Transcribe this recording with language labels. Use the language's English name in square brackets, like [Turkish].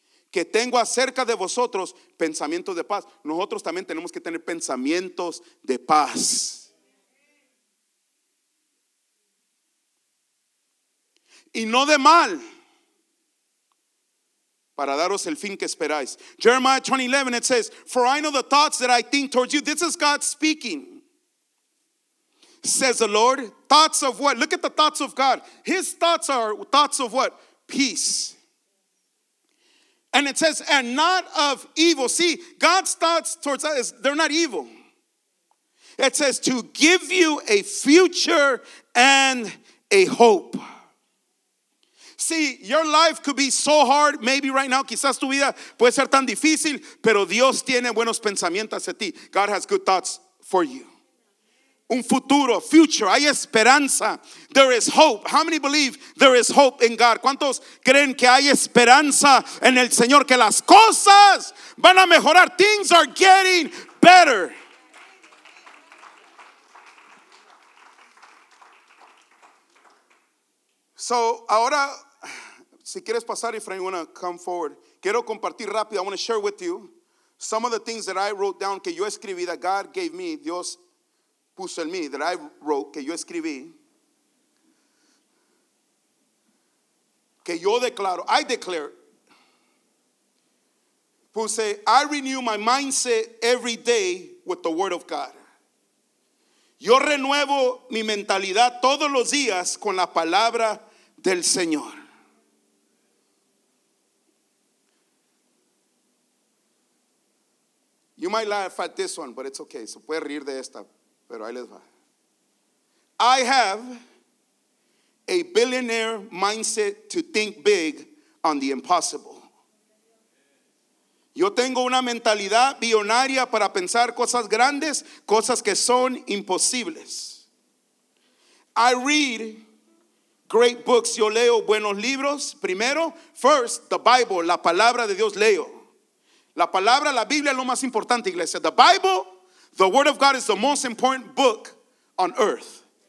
[Spanish] que tengo acerca de vosotros pensamientos de paz. Nosotros también tenemos que tener pensamientos de paz. Y no de mal, para daros el fin que esperáis. [English] Jeremiah 20:11, it says, "For I know the thoughts that I think towards you." This is God speaking, says the Lord. Thoughts of what? Look at the thoughts of God. His thoughts are thoughts of what? Peace. And it says, and not of evil. See, God's thoughts towards us, they're not evil. It says, to give you a future and a hope. See, your life could be so hard, maybe right now, [Spanish] quizás tu vida puede ser tan difícil, pero Dios tiene buenos pensamientos hacia ti. [English] God has good thoughts for you. [Spanish] Un futuro, [English] future, [Spanish] hay esperanza. [English] There is hope. How many believe there is hope in God? [Spanish] ¿Cuántos creen que hay esperanza en el Señor? Que las cosas van a mejorar. [English] Things are getting better. So, [Spanish] ahora, si quieres pasar, [English] if you want to come forward. [Spanish] Quiero compartir rápido, [English] I want to share with you some of the things that I wrote down, [Spanish] que yo escribí, [English] that God gave me, [Spanish] Dios puso en mí, [English] that I wrote, [Spanish] que yo escribí, que yo declaro, [English] I declare. [Spanish] Puse, [English] I renew my mindset every day with the word of God. [Spanish] Yo renuevo mi mentalidad todos los días con la palabra del Señor. [English] You might laugh at this one, but it's okay. [Spanish] Se puede reír de esta, pero ahí les va. [English] I have a billionaire mindset to think big on the impossible. [Spanish] Yo tengo una mentalidad billonaria para pensar cosas grandes, cosas que son imposibles. [English] I read great books. [Spanish] Yo leo buenos libros. Primero, [English] first, the Bible, [Spanish] la palabra de Dios leo. La palabra, la Biblia es lo más importante, iglesia. [English] The Bible, the word of God is the most important book on earth.